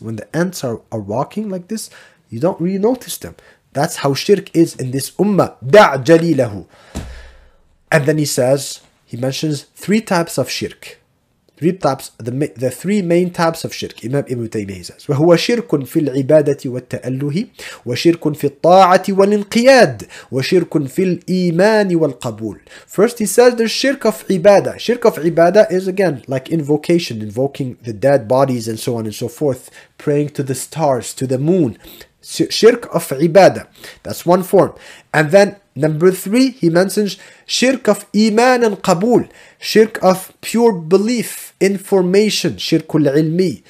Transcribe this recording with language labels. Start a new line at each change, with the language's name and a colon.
English: When the ants are walking like this, you don't really notice them. That's how shirk is in this ummah.
Arabic: دَعْ جَلِيلَهُ.
English: And then he mentions three types of shirk. The three main types of shirk. Imam Ibn Taymiyyah says,
Arabic: وَهُوَ شِرْكٌ فِي الْعِبَادَةِ وَالتَّأَلُّهِ وَشِرْكٌ فِي الطَّاعَةِ وَالْإِنْقِيَادِ وَشِرْكٌ فِي الْإِيمَانِ وَالْقَبُولِ.
English: First, he says, there's shirk of ibadah. Shirk of ibadah is, again, like invocation, invoking the dead bodies and so on and so forth, praying to the stars, to the moon. Shirk of ibadah. That's one form. And then, number three, he mentions shirk of iman and qabul, shirk of pure belief, information, shirkul ilmi.